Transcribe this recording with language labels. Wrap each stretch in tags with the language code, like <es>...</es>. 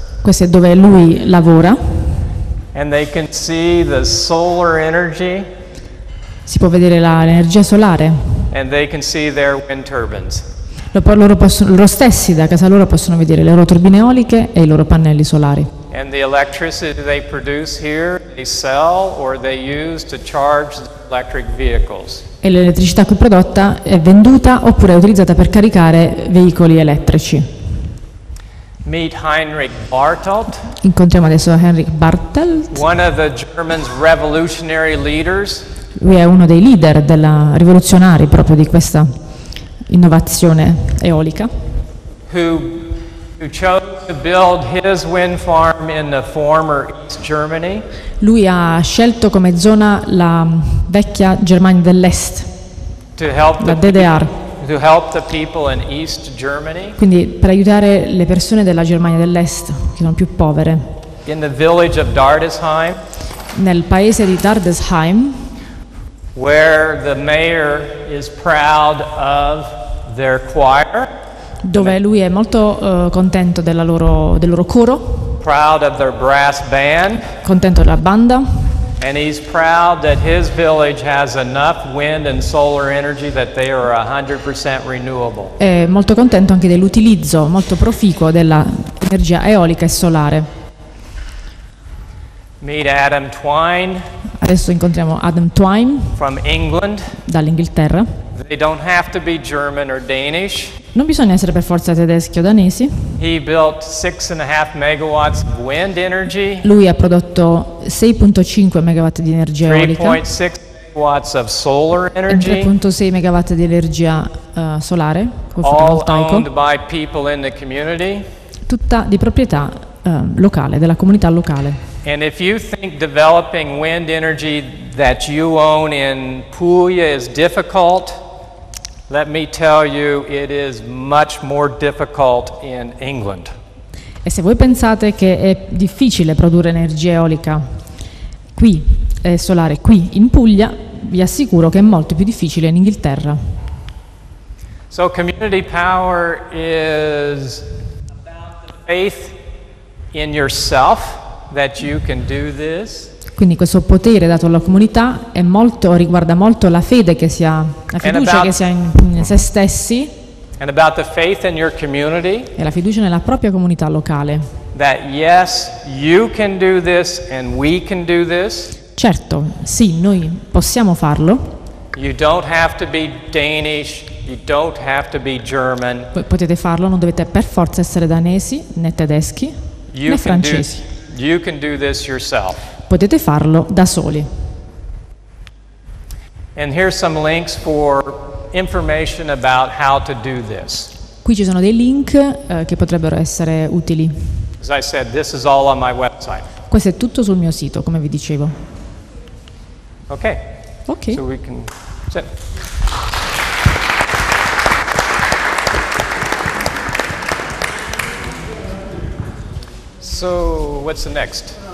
<it>Questo è dove lui lavora.</it> <en>And they can see the solar energy.</en> <it>Si può vedere l'energia solare.</it> <en>And they can see their wind turbines.</en> <it>Loro stessi da casa loro possono vedere le loro turbine eoliche e i loro pannelli solari.</it> <en>And the electricity they produce here, they sell or they use to charge electric vehicles.</en> <it>E l'elettricità qui prodotta è venduta oppure è utilizzata per caricare veicoli elettrici.</it> <en>Meet Heinrich Bartelt.</en> <it>Incontriamo adesso Heinrich Bartelt.</it> <en>One of the German revolutionary leaders.</en> <it>Lui è uno dei leader della rivoluzionari proprio di questa innovazione eolica.</it> <en>Who chose to build his wind farm in the former East Germany.</en> <it>Lui ha scelto come zona la vecchia Germania dell'Est.</it> <en>To help</en> <it>la DDR.</it> <en>to help the people in East Germany.</en> <it>Quindi per aiutare le persone della Germania dell'Est, che sono più povere.</it> <en>In the village of Dardesheim.</en> <it>Nel paese di Dardesheim.</it> <en>Where the mayor is proud of their choir.</en> <it>Dove lui è molto contento del loro coro.</it> <en>Proud of their brass band.</en> <it>Contento della banda.</it> <en>And he's proud that his village has enough wind and solar energy that they are 100% renewable.</en> <it>È molto contento anche dell'utilizzo molto proficuo dell'energia eolica e solare.</it> <en>Meet Adam Twine.</en> <it>Adesso incontriamo Adam Twine.</it> <en>From England.</en> <it>Dall'Inghilterra.</it> <en>They don't have to be German or Danish.</en> <it>Non bisogna essere per forza tedeschi o danesi.</it> <en>He built 6.5 megawatts of wind energy.</en> <it>Lui ha prodotto 6.5 megawatt di energia eolica.</it> <en>3.6 megawatts of solar energy.</en> <it>3.6 megawatt di energia solare con fotovoltaico.</it> <en>All owned by people in the community.</en> <it>Tutta di proprietà locale, della comunità locale.</it> <en>And if you think developing wind energy that you own in Puglia is difficult, let me tell you it is much more difficult in England.</en> <it>E se voi pensate che è difficile produrre energia eolica qui e solare qui in Puglia, vi assicuro che è molto più difficile in Inghilterra.</it> <en>So community power is about the faith in yourself that you can do this.</en> <it>Quindi questo potere dato alla comunità è molto, riguarda molto la fede che si ha, la fiducia che si ha in se stessi,</it> <en>and about the faith in your community,</en> <it>e la fiducia nella propria comunità locale.</it> <en>That yes, you can do this and we can do this.</en> <it>Certo, sì, noi possiamo farlo.</it> <en>You don't have to be Danish, you don't have to be German.</en> <it>Potete farlo, non dovete per forza essere danesi, né tedeschi,</it> <en>you</en> <it>né francesi.</it> <en>You can do this yourself.</en> <it>Potete farlo da soli.</it> <en>And here's some links for information about how to do this.</en> <it>Qui ci sono dei link che potrebbero essere utili.</it> <en>As I said, this is all on my website.</en> <it>Questo è tutto sul mio sito, come vi dicevo.</it> <en>Okay. Okay. So we can sit. So, what's the next?</en>